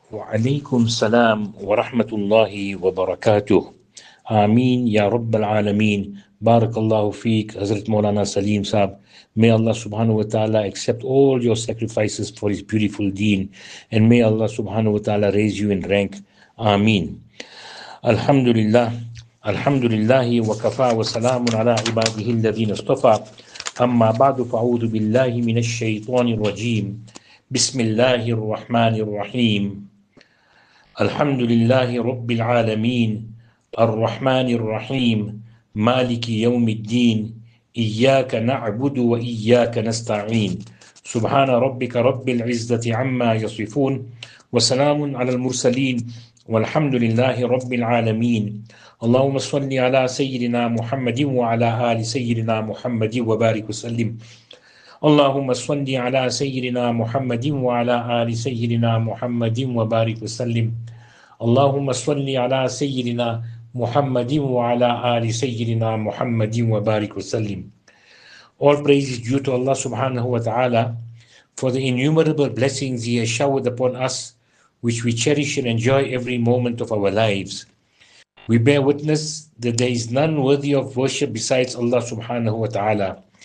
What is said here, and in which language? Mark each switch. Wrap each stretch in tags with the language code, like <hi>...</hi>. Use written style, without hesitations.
<ar>وعليكم السلام ورحمة الله وبركاته. آمين يا رب العالمين. بارك الله فيك حضرت مولانا سليم صاحب.</ar> <en>May Allah subhanahu wa ta'ala accept all your sacrifices for his beautiful deen. And may Allah subhanahu wa ta'ala raise you in rank. Ameen. Alhamdulillah.</en> <ar>Alhamdulillahi wa kafa wa salamun ala ibadihi alladhina istafa. Amma ba'du fa'udhu billahi minash shaytani rajim. Bismillahir Rahmanir Rahim. Alhamdulillahi Rabbil Alameen. Ar-Rahmanir Rahim. Maliki Yawmiddin. إياك نعبد وإياك نستعين سبحان ربك رب العزة عما يصفون وسلام على المرسلين والحمد لله رب العالمين اللهم صل على سيدنا محمد وعلى آل سيدنا محمد وبارك وسلم اللهم صل على سيدنا محمد وعلى آل سيدنا محمد وبارك وسلم اللهم صل على سيدنا محمد وعلى آل سيدنا محمد وبارك وسلم.</ar> <en>All praise is due to Allah subhanahu wa ta'ala for the innumerable blessings He has showered upon us, which we cherish and enjoy every moment of our lives. We bear witness that there is none worthy of worship besides Allah subhanahu wa ta'ala.</en>